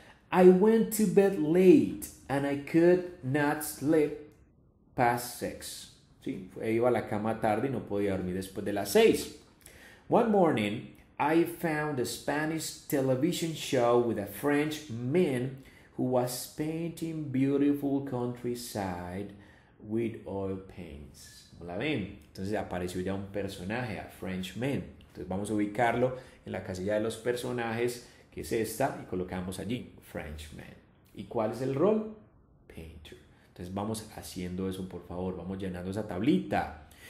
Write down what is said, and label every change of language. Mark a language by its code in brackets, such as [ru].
[en] I went to bed late and I could not sleep past six. [es] Sí, iba a la cama tarde y no podía dormir después de las 6. [en] One morning, I found a Spanish television show with a French man who was painting beautiful countryside with oil paints. [es] ¿No la ven? Entonces apareció ya un personaje, [en] a French man. [es] Entonces vamos a ubicarlo en la casilla de los personajes, que es esta, y colocamos allí Frenchman. ¿Y cuál es el rol? [en] Painter. [es] Entonces vamos haciendo eso, por favor. Vamos llenando esa tablita.